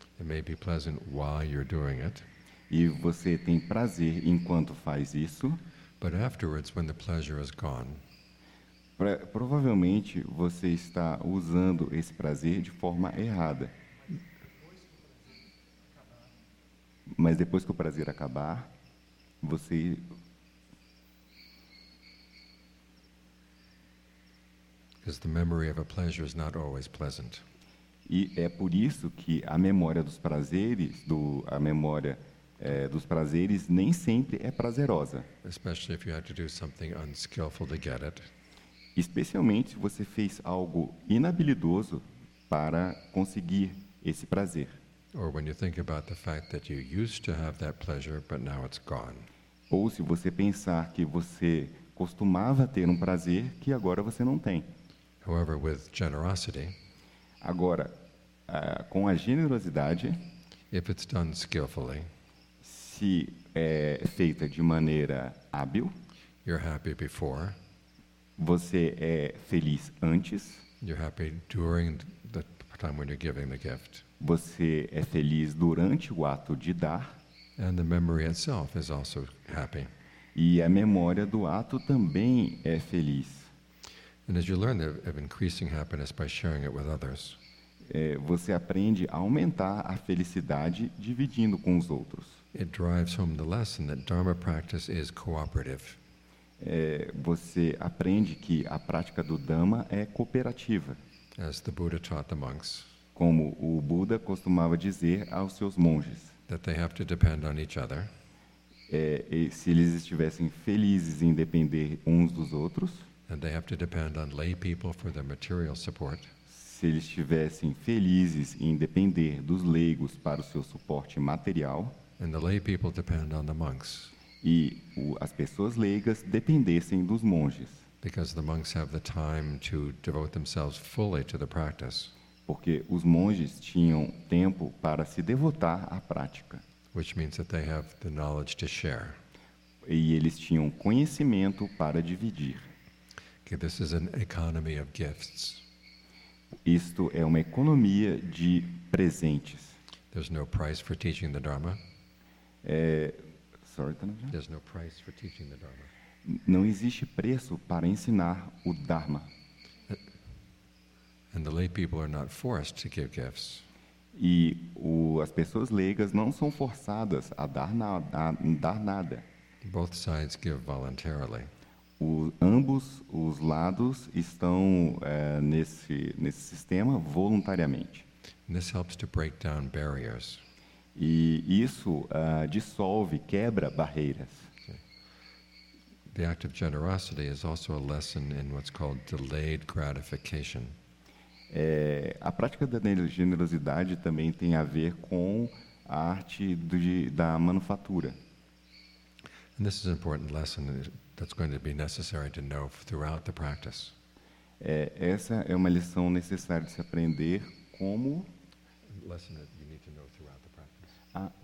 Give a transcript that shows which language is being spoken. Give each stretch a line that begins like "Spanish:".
English: it may be pleasant while you're doing it.
Portuguese: E você tem prazer enquanto faz isso.
English: But afterwards, when the pleasure is gone,
Portuguese: provavelmente você está usando esse prazer de forma errada. Mas depois que o prazer acabar, você...
English: Because the memory of a pleasure is not always pleasant.
Portuguese: E é por isso que a memória dos prazeres, a memória... dos prazeres nem sempre é prazerosa.
English: Especially if you have to do something unskillful to get it.
Portuguese: Especialmente se você fez algo inabilidoso para conseguir esse prazer.
English: Or when you think about the fact that you used to have that pleasure, but now it's gone.
Portuguese: Ou se você pensar que você costumava ter prazer que agora você não tem.
English: However, with generosity.
Portuguese: Agora, com a generosidade.
English: If it's done skillfully.
Portuguese: Se é feita de maneira hábil,
English: you're happy before,
Portuguese: você é feliz antes,
English: you're happy during the time when you're giving the gift,
Portuguese: você é feliz durante o ato de dar,
English: and the memory itself is also happy.
Portuguese: E a memória do ato também é feliz.
English: And as you learn of increasing happiness by sharing it with others,
Portuguese: você aprende a aumentar a felicidade dividindo com os outros.
English: It drives home the lesson that Dharma practice is cooperative.
Portuguese: Você aprende que a prática do Dhamma é cooperativa.
English: As the Buddha taught the monks.
Portuguese: Como o Buda costumava dizer aos seus monges.
English: That they have to depend on each other.
Portuguese: Se eles estivessem felizes em depender uns dos outros.
English: And they have to depend on lay people for their material support.
Portuguese: Se eles estivessem felizes em depender dos leigos para o seu suporte material.
English: And the lay people depend on the monks.
Portuguese: E as pessoas leigas dependessem dos monges.
English: Because the monks have the time to devote themselves fully to the practice.
Portuguese: porque os monges tinham tempo para se devotar à prática.
English: Which means that they have the knowledge to share.
Portuguese: E eles tinham conhecimento para dividir.
English: Okay, this is an economy of gifts.
Portuguese: Isto é uma economia de presentes.
English: There's no price for teaching the Dharma. There's no price for teaching the Dharma.
Portuguese: Não existe preço para ensinar o Dharma.
English: And the lay people are not forced to give gifts.
Portuguese: E as pessoas leigas não são forçadas a dar nada.
English: Both sides give voluntarily.
Portuguese: Ambos os lados estão nesse sistema voluntariamente.
English: This helps to break down barriers.
Portuguese: E isso dissolve, quebra barreiras.
English: Okay. The act of generosity is also a lesson in what's called delayed gratification.
Portuguese: A prática da generosidade também tem a ver com a arte da manufatura.
English: And this is an important lesson that's going to be necessary to know throughout the practice.
Portuguese: Essa é uma lição necessária de se aprender como.
English: Lesson that you need to know throughout the practice.